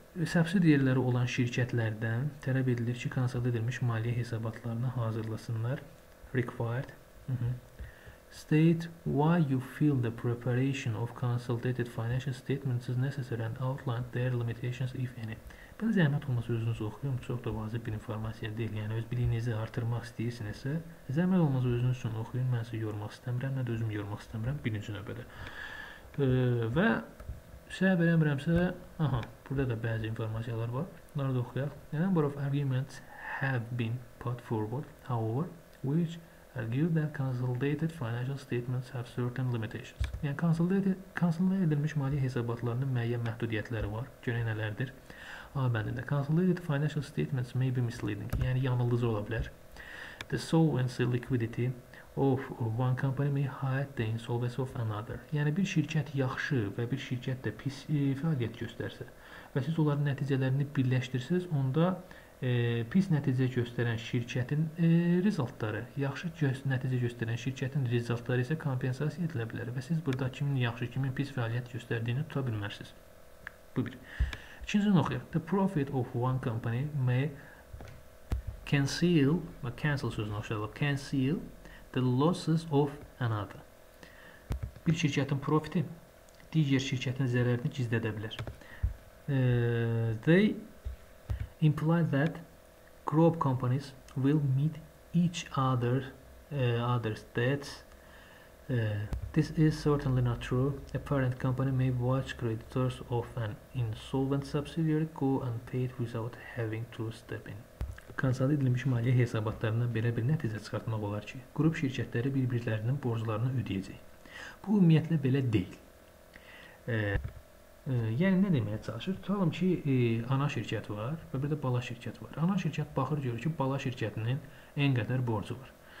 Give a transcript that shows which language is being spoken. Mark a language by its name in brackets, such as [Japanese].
[Azerbaijani] Subsidiyaları olan şirkətlərdən tələb edilir ki, konsolidasiya edilmiş maliyyə hesabatlarını hazırlasınlar. [English] Required. State why you feel the preparation of consolidated financial statements is necessary and outline their limitations, if any. [Azerbaijani] Belə zəhmət olmasa özünüzü oxuyum, çox da vacib bir informasiya deyil. Yəni, öz biliyinizi artırmaq istəyirsinizsə, zəhmət olmasa özünüz üçün oxuyun. Mən sizi yormaq istəmirəm, nə də özüm yormaq istəmirəm birinci növbədə. Və səhv eləmirəmsə, aha, burada da bəzi informasiyalar var. Bunları da oxuyaq. [English] A number of arguments have been put forward, however, which argue that consolidated financial statements have certain limitations. [Azerbaijani] Yəni, consolidated edilmiş maliyyə hesabatlarının müəyyən məhdudiyyətləri var. Görək nələrdir. A bəndində, [English] consolidated financial statements may be misleading. [Azerbaijani] Yəni, yanılıcı ola bilər. [English] The solvency liquidity of one company may hide the insolvency of another. [Azerbaijani] Yəni, bir şirkət yaxşı və bir şirkət də pis fəaliyyət göstərsə və siz onların nəticələrini birləşdirsiniz, onda pis nəticə göstərən şirkətin rezultatları, yaxşı nəticə göstərən şirkətin rezultatları isə kompensasiya edilə bilər və siz burada kimin yaxşı, kimin pis fəaliyyət göstərdiyini tuta bilmərsiniz. Bu bir. İkinci noxuyaq. [English] The profit of one company may conceal, [Azerbaijani] cancel sözünü oxşarlar, [English] conceal the losses of another. [Azerbaijani] Bir şirkətin profiti digər şirkətin zərərini gizlədə bilər. [English] They imply that group companies will meet each other's debts. This is certainly not true. A parent company may watch creditors of an insolvent subsidiary go unpaid without having to step in. [Azerbaijani] Konsolidasiya edilmiş maliyyə hesabatlarından belə bir nəticə çıxartmaq olar ki, qrup şirkətləri bir-birlərinin borclarını ödəyəcək. Bu, ümumiyyətlə, belə deyil. Yəni, nə deməyə çalışır? Tutalım ki, ana şirkət var və bir də bala şirkət var. Ana şirkət baxır, görür ki, bala şirkətinin ən qədər borcu var.